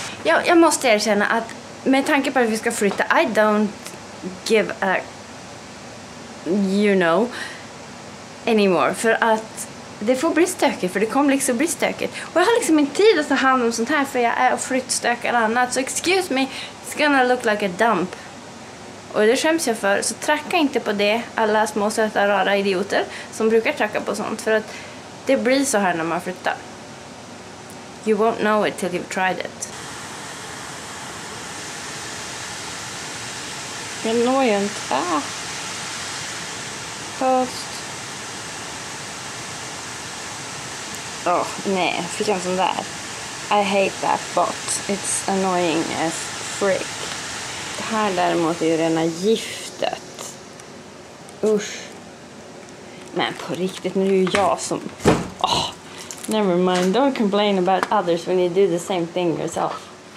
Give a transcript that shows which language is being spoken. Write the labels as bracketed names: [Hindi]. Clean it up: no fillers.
[Swedish] Jag måste erkänna att med tanke på att vi ska flytta, [English] I don't give a, you know, anymore. [Swedish] För att det får bli stökigt. För det kommer liksom bli stökigt. Och jag har liksom inte tid att ta hand om sånt här. För jag är och flyttstökar annat. [English] Så excuse me, it's gonna look like a dump. [Swedish] Och det skäms jag för. Så tracka inte på det, alla små söta rara idioter som brukar tracka på sånt. För att det blir så här när man flyttar. [English] You won't know it till you've tried it. [Swedish] Jag når ju inte. Post. Oh, nej, fick jag en sån där. [English] I hate that bot. It's annoying as frick. [Swedish] Det här däremot är ju rena giftet. Usch. Men på riktigt, nu är ju jag som... [English] Oh, never mind, don't complain about others when you do the same thing yourself.